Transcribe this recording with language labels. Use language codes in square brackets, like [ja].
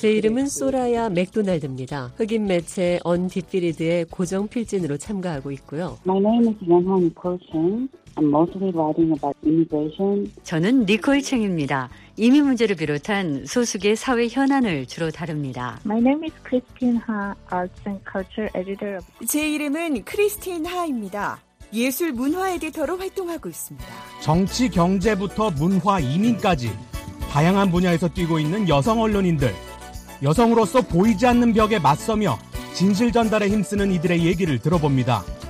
[ko] 제 이름은 소라야 맥도날드입니다. 흑인 매체 언디피리드의 고정 필진으로 참가하고 있고요. [en] My name is Yeonhong Kochung. I'm mostly writing about immigration. [ko] 저는 니콜 챙입니다. 이민 문제를 비롯한 소수계 사회 현안을 주로 다룹니다. [en] My name is Christine Ha, Arts and Culture Editor. [ko] 제 이름은 크리스틴 하입니다. 예술 문화 에디터로 활동하고 있습니다. 정치, 경제부터 문화, 이민까지 다양한 분야에서 뛰고 있는 여성 언론인들. 여성으로서 보이지 않는 벽에 맞서며 진실 전달에 힘쓰는 이들의 얘기를 들어봅니다.